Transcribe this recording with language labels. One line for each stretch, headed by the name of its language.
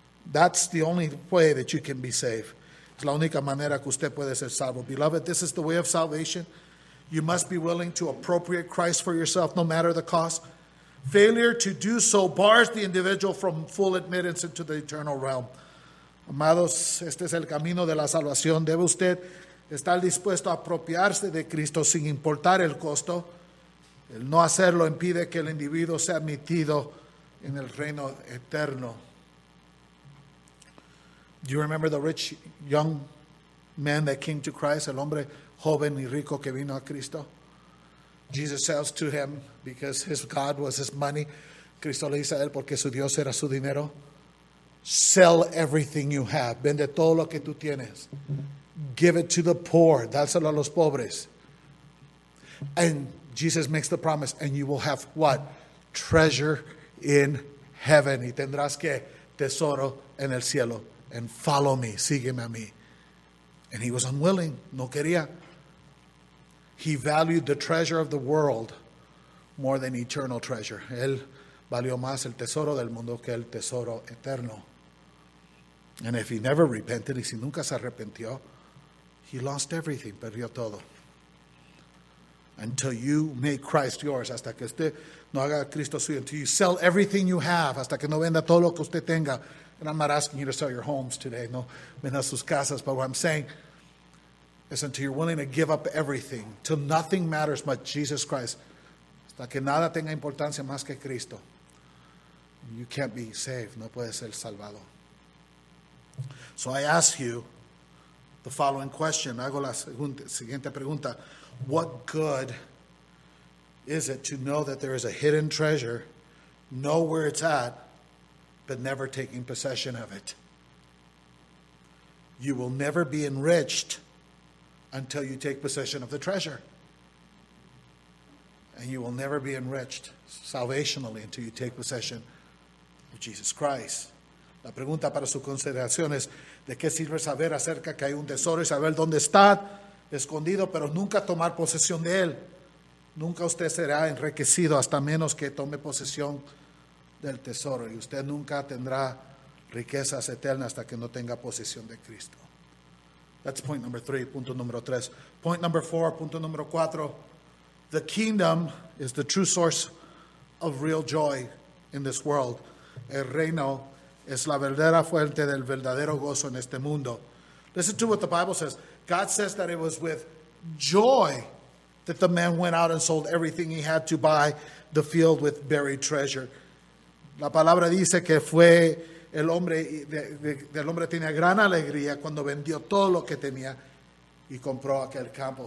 English: That's the only way that you can be saved.
Spanish: Es la única manera que usted puede ser salvo.
English: Beloved, this is the way of salvation. You must be willing to appropriate Christ for yourself, no matter the cost. Failure to do so bars the individual from full admittance into the eternal realm.
Spanish: Amados, este es el camino de la salvación. Debe usted estar dispuesto a apropiarse de Cristo sin importar el costo. El no hacerlo impide que el individuo sea admitido en el reino eterno.
English: Do you remember the rich young man that came to Christ?
Spanish: El hombre joven y rico que vino a Cristo.
English: Jesus says to him, because his God was his money.
Spanish: Cristo le dice a él, porque su Dios era su dinero.
English: Sell everything you have.
Spanish: Vende todo lo que tú tienes.
English: Give it to the poor.
Spanish: Dáselo a los pobres.
English: And Jesus makes the promise, and you will have what? Treasure in heaven.
Spanish: Y tendrás que tesoro en el cielo.
English: And follow me.
Spanish: Sígueme a mí.
English: And he was unwilling.
Spanish: No quería.
English: He valued the treasure of the world more than eternal treasure.
Spanish: Él valió más el tesoro del mundo que el tesoro eterno.
English: And if he never repented,
Spanish: y si nunca se arrepintió,
English: he lost everything,
Spanish: perdió todo.
English: Until you make Christ yours,
Spanish: hasta que usted no haga Cristo suyo,
English: until you sell everything you have,
Spanish: hasta que no venda todo lo que usted tenga.
English: And I'm not asking you to sell your homes today,
Spanish: no venda sus casas,
English: but what I'm saying, it's until you're willing to give up everything, till nothing matters but Jesus Christ.
Spanish: Hasta que nada tenga importancia más que Cristo.
English: You can't be saved.
Spanish: No puedes ser salvado.
English: So I ask you the following question.
Spanish: Hago la siguiente pregunta.
English: What good is it to know that there is a hidden treasure, know where it's at, but never taking possession of it? You will never be enriched until you take possession of the treasure. And you will never be enriched salvationally until you take possession of Jesus Christ.
Spanish: La pregunta para su consideración es, ¿de qué sirve saber acerca que hay un tesoro y saber dónde está escondido, pero nunca tomar posesión de él? Nunca usted será enriquecido hasta menos que tome posesión del tesoro. Y usted nunca tendrá riquezas eternas hasta que no tenga posesión de Cristo.
English: That's point number three,
Spanish: punto número tres.
English: Point number four,
Spanish: punto número cuatro.
English: The kingdom is the true source of real joy in this world.
Spanish: El reino es la verdadera fuente del verdadero gozo en este mundo.
English: Listen to what the Bible says. God says that it was with joy that the man went out and sold everything he had to buy the field with buried treasure.
Spanish: La palabra dice que fue... El hombre, el hombre tenía gran alegría cuando vendió todo lo que tenía y compró aquel campo.